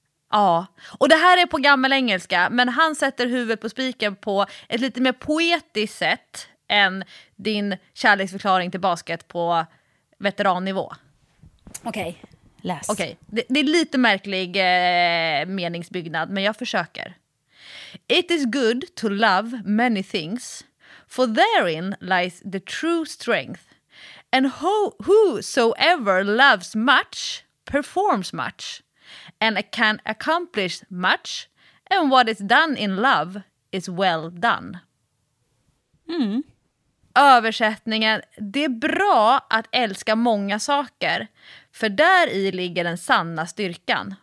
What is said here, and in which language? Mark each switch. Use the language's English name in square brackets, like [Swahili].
[Swedish] Ja, och det här är på gammal engelska, men han sätter huvudet på spiken på ett lite mer poetiskt sätt än din kärleksförklaring till basket på veterannivå. Okej, Läs. Okej, det är lite märklig meningsbyggnad, men jag försöker. [English] It is good to love many things, for therein lies the true strength. And whosoever loves much performs much, and can accomplish much, and what is done in love is well done. Mm. [Swedish] Översättningen, det är bra att älska många saker, för där i ligger den sanna styrkan.